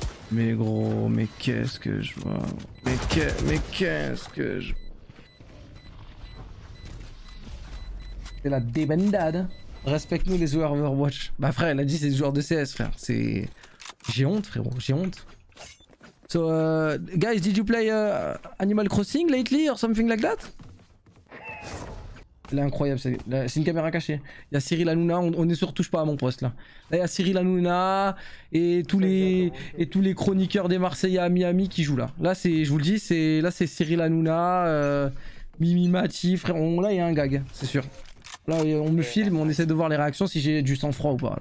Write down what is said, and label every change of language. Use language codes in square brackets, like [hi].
[fr] Mais gros, mais qu'est-ce que je vois. Mais qu'est-ce que je... C'est la débandade. Respecte-nous les joueurs Overwatch. Bah frère, il a dit c'est des joueurs de CS, frère. C'est... J'ai honte, frérot, j'ai honte. [en] So, guys, did you play Animal Crossing lately or something like that? [fr] Là, incroyable, c'est une caméra cachée. Il y a Cyril Hanouna, on est sur Touche pas à mon poste là. Là, il y a Cyril Hanouna et tous les chroniqueurs des Marseillais à Miami qui jouent là. Là, c'est, je vous le dis, c'est Cyril Hanouna, Mimi Mati, frère. Là, il y a un gag, c'est sûr. Là, on me filme, on essaie de voir les réactions si j'ai du sang-froid ou pas.